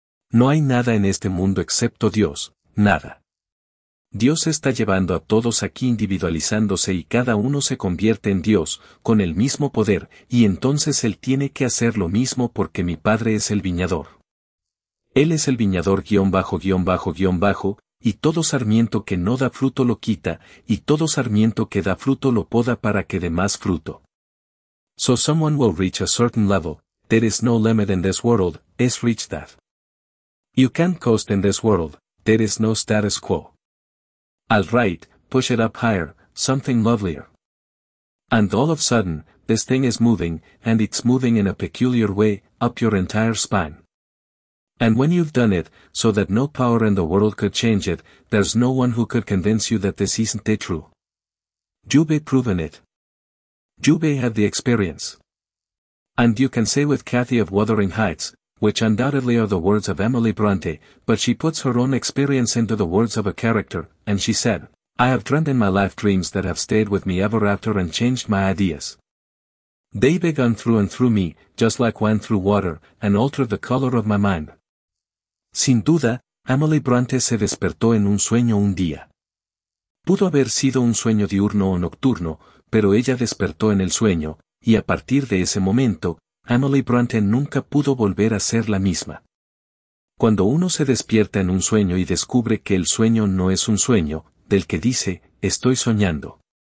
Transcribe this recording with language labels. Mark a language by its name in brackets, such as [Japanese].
[Spanish] No hay nada en este mundo excepto Dios, nada. Dios está llevando a todos aquí individualizándose y cada uno se convierte en Dios, con el mismo poder, y entonces Él tiene que hacer lo mismo porque mi Padre es el viñador. Él es el viñador guión bajo guión bajo guión bajo, y todo sarmiento que no da fruto lo quita, y todo sarmiento que da fruto lo poda para que dé más fruto. [English] So someone will reach a certain level, there is no limit in this world, is reach that. You can't coast in this world, there is no status quo. All right, push it up higher, something lovelier. And all of a sudden, this thing is moving, and it's moving in a peculiar way, up your entire spine. And when you've done it, so that no power in the world could change it, there's no one who could convince you that this isn't it true. You've proven it. You've had the experience. And you can say with Cathy of Wuthering Heights, which undoubtedly are the words of Emily Bronte, but she puts her own experience into the words of a character, and she said, I have dreamt in my life dreams that have stayed with me ever after and changed my ideas. They began through and through me, just like wine through water, and altered the color of my mind. [Spanish] Sin duda, Emily Bronte se despertó en un sueño un día. Pudo haber sido un sueño diurno o nocturno, pero ella despertó en el sueño, y a partir de ese momento, Emily Bronte nunca pudo volver a ser la misma. Cuando uno se despierta en un sueño y descubre que el sueño no es un sueño, del que dice, estoy soñando.